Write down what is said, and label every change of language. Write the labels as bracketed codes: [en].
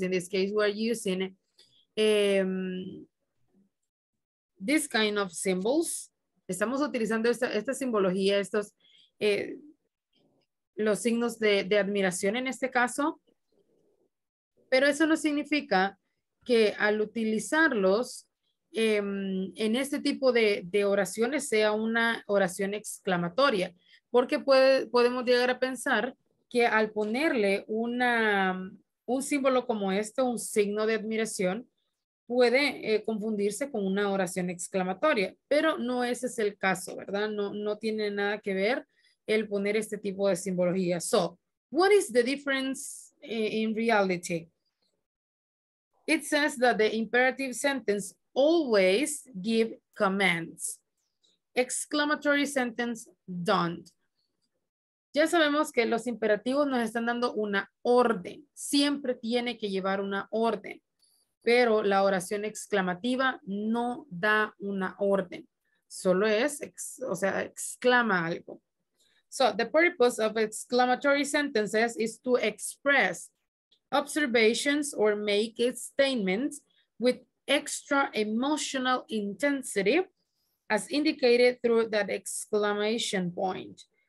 [en] In this case, we're using this kind of symbols. [es] Estamos utilizando esta simbología, estos los signos de admiración en este caso, pero eso no significa que al utilizarlos en este tipo de oraciones sea una oración exclamatoria. Porque podemos llegar a pensar que al ponerle un símbolo como este, un signo de admiración, puede confundirse con una oración exclamatoria. Pero no ese es el caso, ¿verdad? No tiene nada que ver el poner este tipo de simbología. [en] So, what is the difference in reality? It says that the imperative sentence always give commands. Exclamatory sentence don't. [es] Ya sabemos que los imperativos nos están dando una orden. Siempre tiene que llevar una orden. Pero la oración exclamativa no da una orden. Solo es, exclama algo. [en] So, the purpose of exclamatory sentences is to express observations or make statements with extra emotional intensity as indicated through that exclamation point.